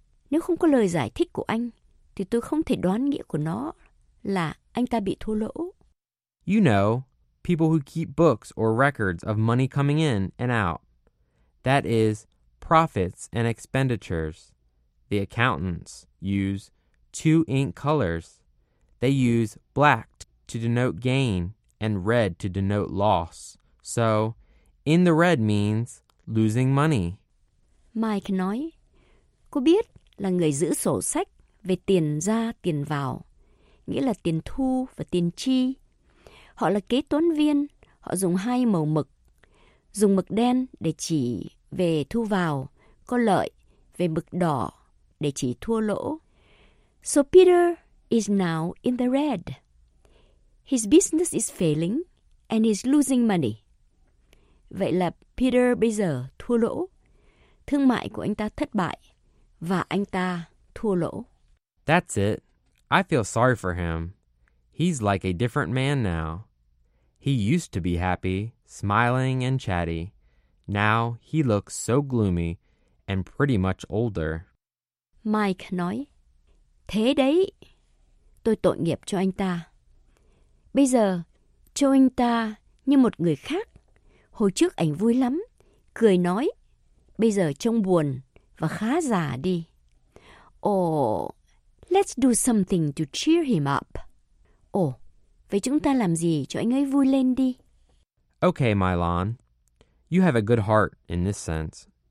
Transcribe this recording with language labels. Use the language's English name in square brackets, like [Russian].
[Vietnamese] Nếu không có lời giải thích của anh, thì tôi không thể đoán nghĩa của nó là anh ta bị thua lỗ. [English] You know, people who keep books or records of money coming in and out. That is, profits and expenditures. The accountants use 2 ink colors. They use black to denote gain and red to denote loss. So, in the red means losing money. [Vietnamese] Mike nói, cô biết là người giữ sổ sách về tiền ra tiền vào, nghĩa là tiền thu và tiền chi. Họ là kế toán viên, họ dùng 2 màu mực. Dùng mực đen để chỉ về thu vào, có lợi, về mực đỏ để chỉ thua lỗ. [English] So Peter is now in the red. His business is failing and he's losing money. [Vietnamese] Vậy là Peter bây giờ thua lỗ. Thương mại của anh ta thất bại và anh ta thua lỗ. [English] That's it. I feel sorry for him. He's like a different man now. He used to be happy, smiling and chatty. Now he looks so gloomy and pretty much older. [Vietnamese] Mike nói, thế đấy, tôi tội nghiệp cho anh ta. Bây giờ, cho anh ta như một người khác. Hồi trước anh vui lắm, cười nói, bây giờ trông buồn và khá già đi. [English] Oh, let's do something to cheer him up. [Vietnamese] Ồ, vậy chúng ta làm gì cho anh ấy vui lên đi? [English] Okay, Mylon. You have a good heart in this sense.